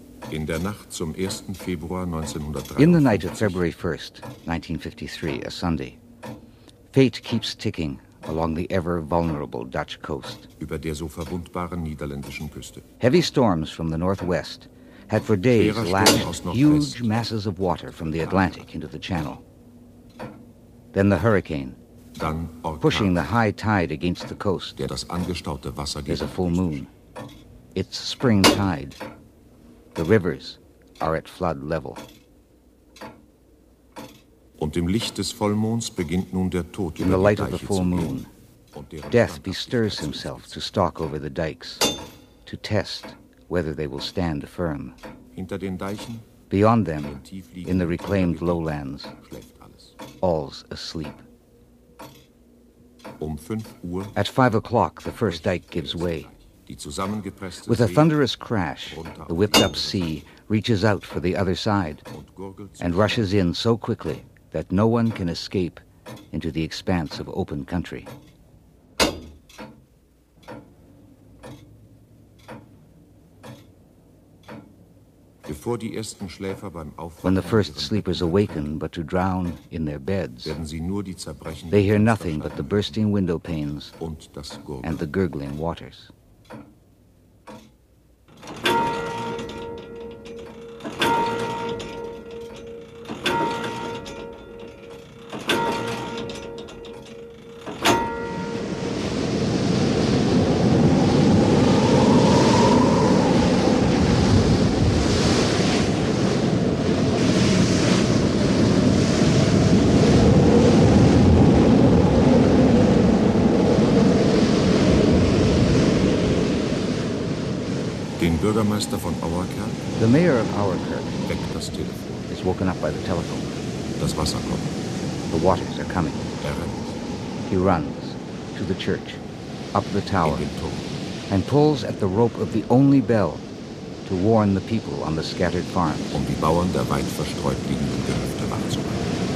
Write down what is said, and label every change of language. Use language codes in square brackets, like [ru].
[de] In der Nacht zum 1. Februar 1953. [en] In the night of February 1st, 1953, a Sunday, fate keeps ticking along the ever-vulnerable Dutch coast. [de] Über der so verwundbaren niederländischen Küste. [en] Heavy storms from the northwest had for days lashed huge masses of water from the Atlantic into the channel. Then the hurricane, [de] dann [en] pushing the high tide against the coast, [de] der das angestaute Wasser [en] gegen. There's a full moon. It's spring tide. The rivers are at flood level. [de] Und im Licht des Vollmonds beginnt nun der Tod [en] in the light of the full moon, death bestirs himself to stalk over the dikes, to test whether they will stand firm. [de] Hinter den Deichen, [en] beyond them, in the reclaimed lowlands, all's asleep. [de] Um 5 Uhr, [en] at 5 o'clock, the first dike gives way. With a thunderous crash, the whipped-up sea reaches out for the other side and rushes in so quickly that no one can escape into the expanse of open country. [de] Bevor die ersten Schläfer beim Aufwachen [en] when the first sleepers awaken but to drown in their beds, [de] werden sie nur die zerbrechenden [en] they hear nothing but the bursting window panes [de] und das Gurgeln [en] and the gurgling waters. The mayor of Auerkirk is woken up by the telephone. [de] Das Wasser kommt. [en] The waters are coming. He runs to the church, up the tower, and pulls at the rope of the only bell to warn the people on the scattered farms. [de] Um die Bauern der weit verstreut liegenden Gehöfte wachzumachen.